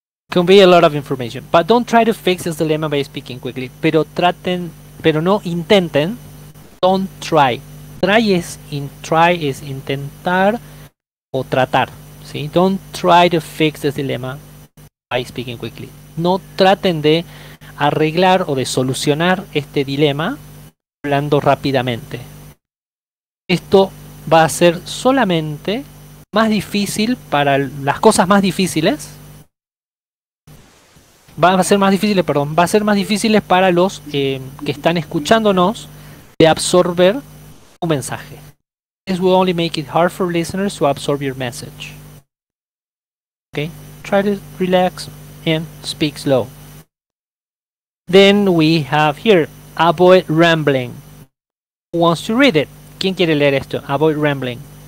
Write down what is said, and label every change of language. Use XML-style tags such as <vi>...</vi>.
<en>Convey a lot of information, but don't try to fix this dilemma by speaking quickly.</en> <es>Pero traten, pero no intenten.</es> <en>Don't try. Try is</en> <es>intentar o tratar. ¿Sí?</es> <en>Don't try to fix this dilemma by speaking quickly.</en> <es>No traten de arreglar o de solucionar este dilema hablando rápidamente. Esto va a ser solamente más difícil para las cosas más difíciles. Va a ser más difícil para los que están escuchándonos de absorber un mensaje.</es> <en>This will only make it hard for listeners to absorb your message. Okay, try to relax and speak slow. Then we have here, avoid rambling. Who wants to read it?</en> <es>¿Quién quiere leer esto?</es> <en>Avoid rambling.</en>